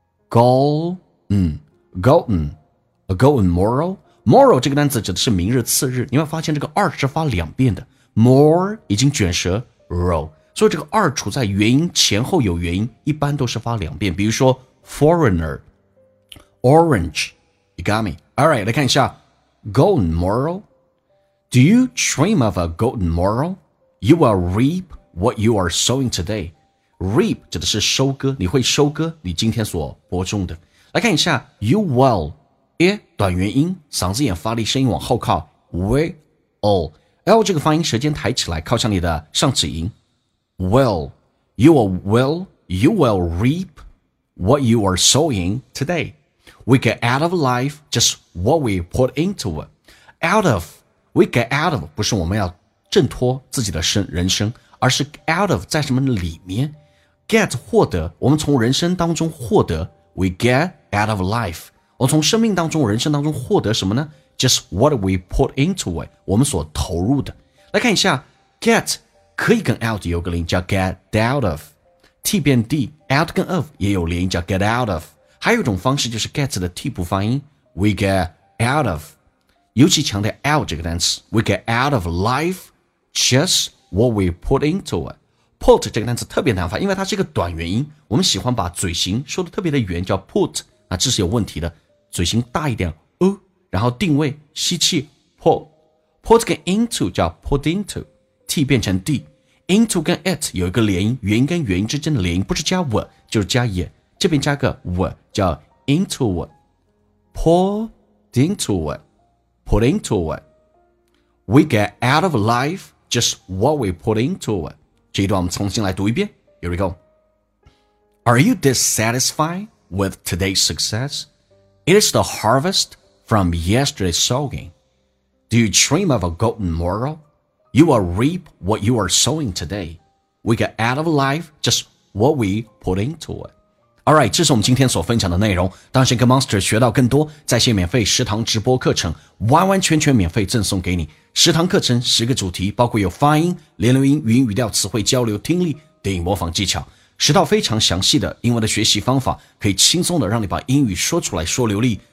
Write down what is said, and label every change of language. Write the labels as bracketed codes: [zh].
[zh] Golden Golden A Golden Moral Moral 这个单词指的是明日次日，你会发现这个二是发两遍的，More 已经卷舌 ，ro， 所以这个二处在元音前后有元音，一般都是发两遍。比如说 foreigner，orange， [en] you got me。 All right， [zh] 来看一下 [en] golden moral。 Do you dream of a golden moral? You will reap what you are sowing today. [zh] Reap 指的是收割，你会收割你今天所播种的。来看一下 you will， 耶，短元音，嗓子眼发力，声音往后靠 ，will。 [en] L [zh] 这个发音舌尖抬起来靠向你的上齿龈 [en] Will You will You will reap What you are sowing today. We get out of life Just what we put into it. [zh] Out of We get out of 不是我们要挣脱自己的人生，而是 out of 在什么里面， Get 获得，我们从人生当中获得， [en] We get out of life， [zh] 我从生命当中人生当中获得什么呢？ [en] Just what we put into it， [zh] 我们所投入的。 来看一下 get 可以跟 out 有个连音叫 get out of， t 变 d， out 跟 of 也有连音叫 get out of， 还有一种方式就是 get 的 t 不发音， [en] we get out of， 尤其强调 out 这个单词， we get out of life just what we put into it。 [zh] put 这个单词特别难发，因为它是一个短元音，我们喜欢把嘴型说得特别的圆叫 put， 那这是有问题的，嘴型大一点然后定位吸气 put 跟 into 叫 put into， t 变成 d， into 跟 it 有一个连音，元音跟元音之间的连音不是加 w 就是加 y， 这边加个 w 叫 into w put [en] into it, put into it. We get out of life just what we put into it. [zh] 这一段我们重新来读一遍。 [en] Here we go. Are you dissatisfied with today's success? It is the harvest from yesterday's sowing. Do you dream of a golden morrow? You will reap what you are sowing today. We get out of life just what we put into it. All right, [zh] 这是我们今天所分享的内容。当想跟 Monster 学到更多，在线免费食堂直播课程完完全全免费赠送给你。食堂课程十个主题，包括有发音、连留音、语音语调、词汇交流、听力、电影模仿技巧，十套非常详细的英文的学习方法，可以轻松的让你把英语说出来说流利。